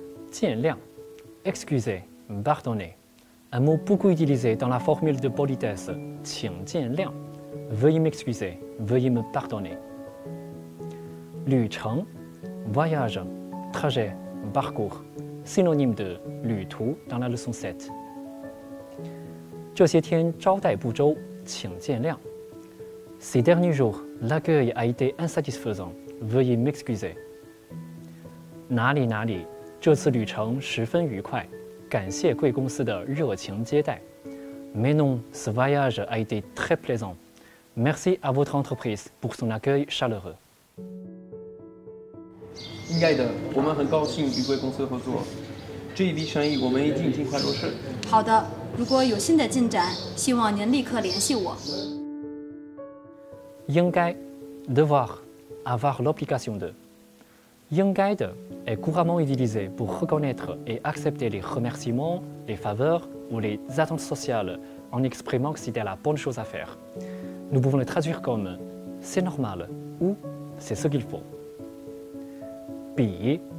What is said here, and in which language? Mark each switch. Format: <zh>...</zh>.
<fr>见谅, excusez, pardonnez. Un mot beaucoup utilisé dans la formule de politesse,</fr> <zh>请见谅,</zh> <fr>veuillez m'excuser, veuillez me pardonner. 旅程, voyage, trajet, parcours, synonyme de 旅途 dans la leçon 7.</fr> <zh>这些天招待不周, 请见谅.</zh> <fr>Ces derniers jours, l'accueil a été insatisfaisant, veuillez m'excuser.</fr> <zh>哪里哪里这次旅程十分愉快，感谢贵公司的热情接待。</zh> <fr>Mais non, ce voyage a été très plaisant. Merci à votre entreprise pour son accueil chaleureux.</fr> <zh>应该的，我们很高兴与贵公司合作，这一笔生意我们一定尽快落实。好的，如果有新的进展，希望您立刻联系我。</zh> <fr>应该 devoir, avoir l'obligation de. 应该的 est couramment utilisé pour reconnaître et accepter les remerciements, les faveurs ou les attentes sociales en exprimant que c'était la bonne chose à faire. Nous pouvons le traduire comme « c'est normal » ou « c'est ce qu'il faut ». B.</fr>